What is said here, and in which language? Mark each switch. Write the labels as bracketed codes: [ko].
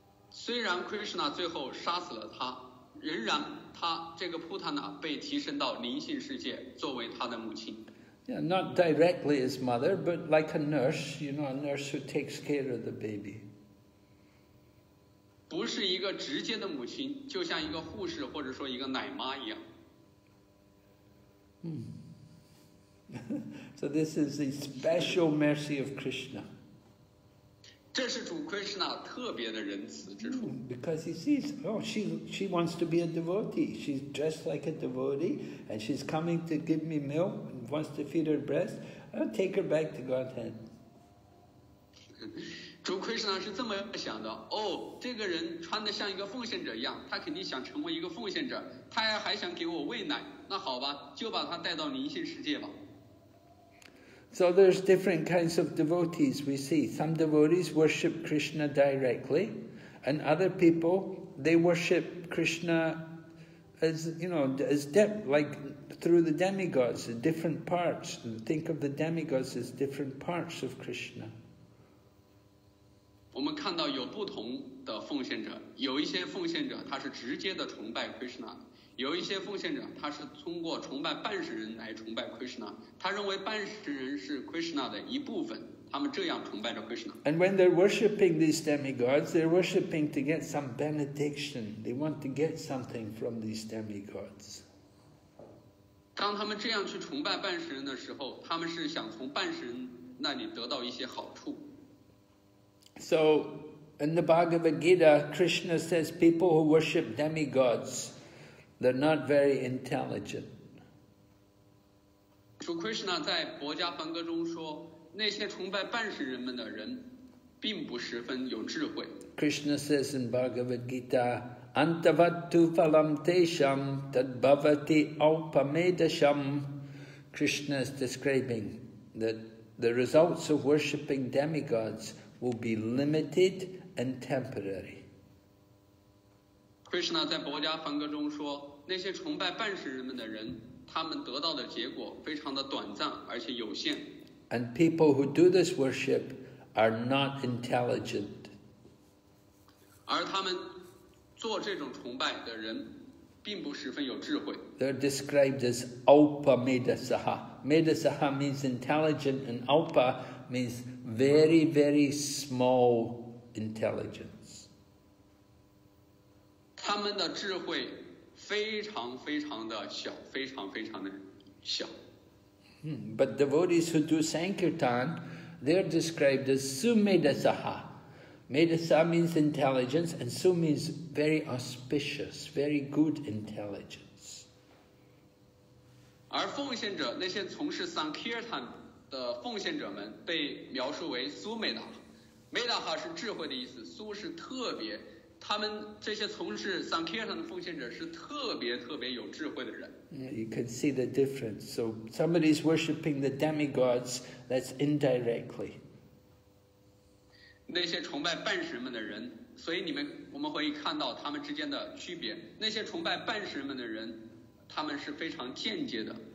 [zh] 虽然 Krishna 最后杀死了她，仍然她这个 Putana 被提升到灵性世界作为她的母亲。 [en] Yeah, not directly his mother, but like a nurse, you know, a nurse who takes care of the baby. [zh] 不是一个直接的母亲，就像一个护士或者说一个奶妈一样。 [en] So this is the special mercy of Krishna. [zh] 这是主 Krishna 特别的仁慈之处。 [en] Because he sees, she wants to be a devotee. She's dressed like a devotee, and she's coming to give me milk, and wants to feed her breast. I'll take her back to Godhead. [zh] 主 Krishna 是这么想的，哦，这个人穿得像一个奉献者一样，他肯定想成为一个奉献者，他还想给我喂奶，那好吧，就把他带到灵性世界吧。 [en] So there's different kinds of devotees we see. Some devotees worship Krishna directly, and other people, they worship Krishna as, you know, as like through the demigods, the different parts. And think of the demigods as different parts of Krishna. [zh] 我们看到有不同的奉献者，有一些奉献者他是直接的崇拜 Krishna。有一些奉献者他是通过崇拜半世人来崇拜 Krishna， 他认为半世人是 Krishna 的一部分，他们这样崇拜着 Krishna。 [en] And when they're worshipping these demigods, they're worshipping to get some benediction. They want to get something from these demigods. [zh] 当他们这样去崇拜半世人的时候，他们是想从半世人那里得到一些好处。 [en] So in the Bhagavad Gita, Krishna says people who worship demigods,they're not very intelligent. [zh] So Krishna 在《薄伽梵歌》中说，那些崇拜半世人们的人，并不十分有智慧。 [en] Krishna says in Bhagavad Gita, [sa] "Antavatu phalam tesham tad bhavati alpamedasham." [en] Krishna is describing that the results of worshipping demigods will be limited and temporary. [zh] Krishna 在《薄伽梵歌》中说。那些崇拜半世人们的人，他们得到的结果非常的短暂而且有限。 [en] And people who do this worship are not intelligent. [zh] 而他们做这种崇拜的人并不十分有智慧。 [en] They're described as Alpa Medasaha. Medasaha means intelligent and Alpa means very, very small intelligence. [zh] 他们的智慧非常非常的小，非常非常的小。 [en] But devotees who do Sankirtan, they're described as Sumedasaha. Medasaha means intelligence, and Sum means very auspicious, very good intelligence. [zh] 而奉献者，那些从事 Sankirtan 的奉献者们被描述为 Sumedasaha。 Medasaha 是智慧的意思， Sum 是特别。他们这些从事 Sankirtan 的奉献者是特别特别有智慧的人。 [en] You can see the difference. So somebody is worshipping the demigods, that's indirectly. [zh] 那些崇拜半神们的人，所以我们可以看到他们之间的区别。那些崇拜半神们的人，他们是非常间接的。